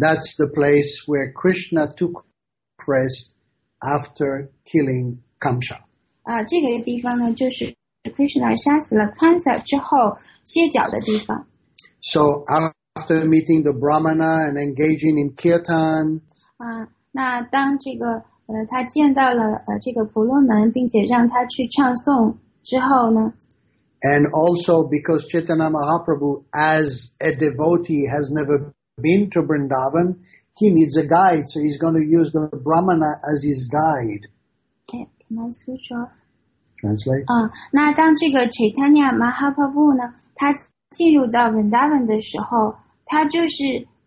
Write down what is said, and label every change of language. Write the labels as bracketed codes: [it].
[en] That's the place where Krishna took rest after killing Kamsa. [zh] 这个地方呢，就是 Krishna 杀死了 Kamsa 之后歇脚的地方。 [en] So after meeting the Brahmana and engaging in kirtan. [zh] 那当这个他见到了这个婆罗门，并且让他去唱诵之后呢 [en] ？And also because Chaitanya Mahaprabhu, as a devotee, has never been to Vrindavan, he needs a guide, so he's going to use the Brahmana as his guide. Can I switch off? Translate. [zh] 那当这个 Chaitanya Mahaprabhu 呢，他进入到 Vrindavan 的时候，他就是。